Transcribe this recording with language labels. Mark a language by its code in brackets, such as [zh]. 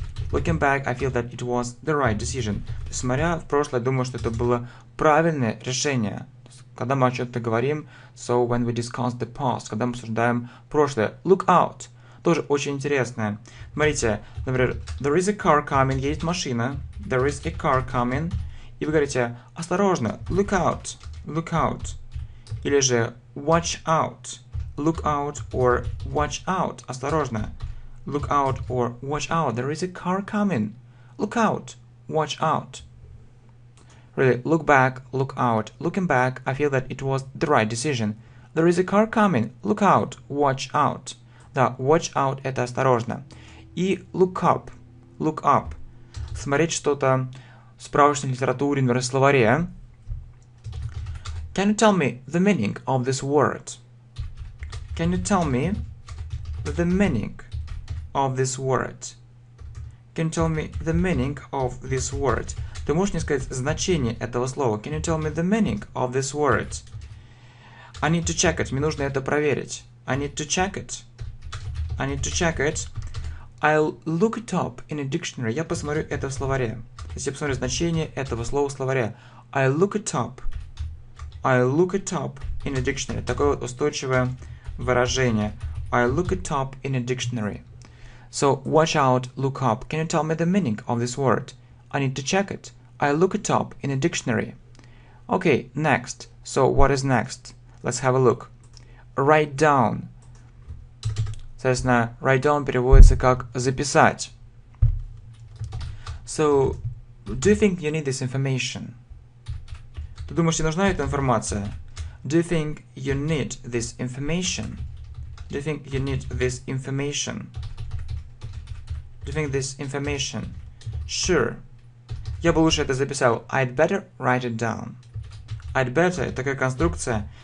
[en] Looking back, I feel that it was the right decision. [ru] Смотря в прошлое, думаю, что это было правильное решение. Когда мы о чем-то говорим, [en] so when we discuss the past, [ru] когда мы обсуждаем прошлое. Look out. Тоже очень интересное. Смотрите, например, [en] there is a car coming, [ru] едет машина. [en] There is a car coming. [ru] И вы говорите, осторожно, [en] look out, look out. [ru] Или же, [en] watch out, look out or watch out. [ru] Осторожно, [en] look out or watch out. There is a car coming. Look out, watch out. Really, look back, look out. Looking back, I feel that it was the right decision. There is a car coming. Look out, watch out. [ru] Да, [en] watch out – [ru] это осторожно. [en] И look up. Look up. [ru] Смотреть что-то в справочной литературе, в словаре. [en] Can you tell me the meaning of this word? Can you tell me the meaning of this word? Can you tell me the meaning of this word? [ru] Ты можешь мне сказать значение этого слова? [en] Can you tell me the meaning of this word? I need to check it. [ru] Мне нужно это проверить. [en] I need to check it. I need to check it. I'll look it up in a dictionary. [ru] Я посмотрю это в словаре. Если я посмотрю значение этого слова в словаре. [en] I'll look it up. I'll look it up in a dictionary. [ru] Такое вот устойчивое выражение. [en] I'll look it up in a dictionary. So, watch out, look up. Can you tell me the meaning of this word? I need to check it. I'll look it up in a dictionary. Okay, next. So, what is next? Let's have a look. Write down. [ru] Соответственно, write down переводится как записать. [en] So, do you think you need this information? [ru] Ты думаешь, тебе нужна эта информация? [en] Do you think you need this information? Do you think you need this information? Do you think this information? Sure. [ru] Я бы лучше это записал. [en] I'd better write it down. I'd better – [ru] такая конструкция.